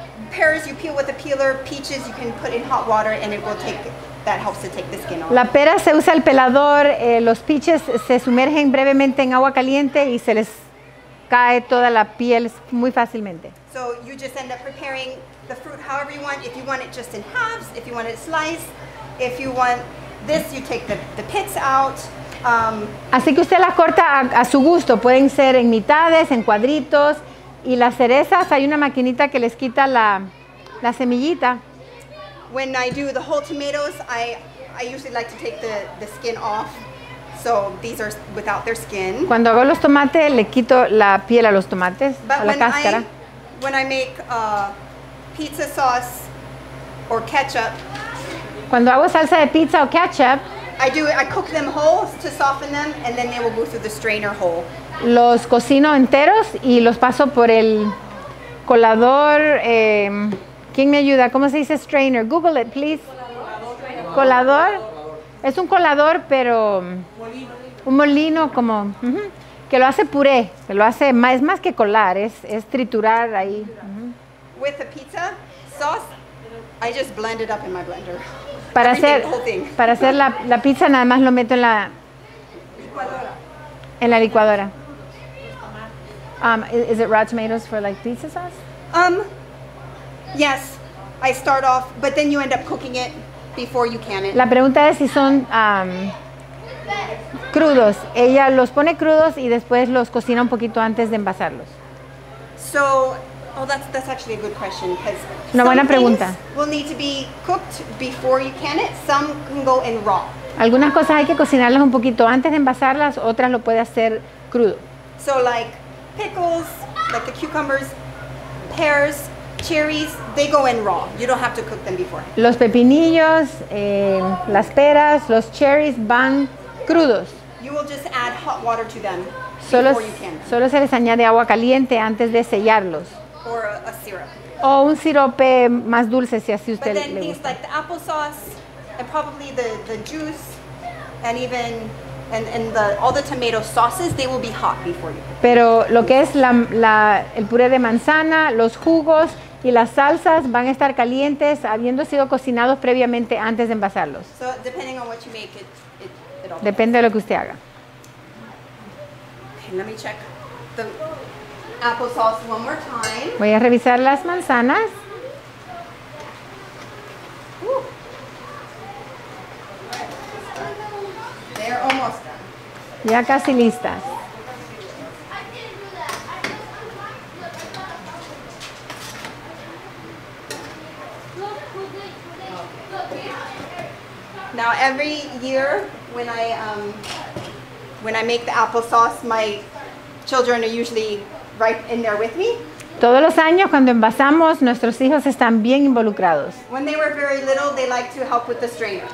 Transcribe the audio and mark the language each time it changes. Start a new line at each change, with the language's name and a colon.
English: Pears you peel with a peeler, peaches you can put in hot water and it will take, that helps to take the skin off.
Spanish: La pera se usa el pelador, los peaches se sumergen brevemente en agua caliente y se les cae toda la piel muy fácilmente.
English: So you just end up preparing the fruit however you want, if you want it just in halves, if you want it sliced, if you want this, you take the pits out.
Spanish: Así que usted las corta a su gusto, pueden ser en mitades, en cuadritos. Y las cerezas, hay una maquinita que les quita la semillita.
English: When I do the whole tomatoes, I usually like to take the skin off. So these are without their skin.
Spanish: Cuando hago los tomates, le quito la piel a los tomates,
English: but
Spanish: a la cáscara.
English: When I make pizza sauce or ketchup.
Spanish: Cuando hago salsa de pizza o ketchup.
English: I cook them whole to soften them and then they will go through the strainer hole.
Spanish: Los cocino enteros y los paso por el colador. ¿Quién me ayuda? ¿Cómo se dice strainer?
English: Google it, please.
Spanish: Colador. Es un colador, pero un molino como que lo hace puré. Que lo hace más, es más que colar, es triturar ahí.
English: With the pizza sauce, I just blend it up in my blender.
Spanish: Para hacer la pizza nada más lo meto en la licuadora. En la licuadora.
English: Is it raw tomatoes for like pizza sauce? Yes, I start off, but then you end up cooking it before you can it.
Spanish: La pregunta es si son crudos. Ella los pone crudos y después los cocina un poquito antes de envasarlos.
English: So, that's actually a good question.
Spanish: Una buena pregunta.
English: Will need to be cooked before you can it. Some can go in raw.
Spanish: Algunas cosas hay que cocinarlas un poquito antes de envasarlas, otras lo puede hacer crudo.
English: So like pickles, like the cucumbers, pears, cherries, they go in raw. You don't have to cook them before.
Spanish: Los pepinillos, las peras, los cherries van crudos.
English: You will just add hot water to them before you can them.
Spanish: Solo se les añade agua caliente antes de sellarlos.
English: Or a syrup.
Spanish: O un sirope más dulce si así usted le gusta.
English: But then things like the applesauce and probably the juice and even all the tomato sauces, they will be hot before you.
Spanish: Pero lo que es el puré de manzana, los jugos y las salsas van a estar calientes habiendo sido cocinados previamente antes de envasarlos.
English: So depending on what you make, it all
Spanish: depende de lo que usted haga.
English: Okay, let me check the applesauce one more time.
Spanish: Voy a revisar las manzanas.
English: They're almost done.
Spanish: Ya casi listas.
English: Now every year when I make the applesauce, my children are usually right in there with me.
Spanish: Todos los años cuando envasamos, nuestros hijos están bien involucrados.
English: When they were very little, they liked to help with the strainer.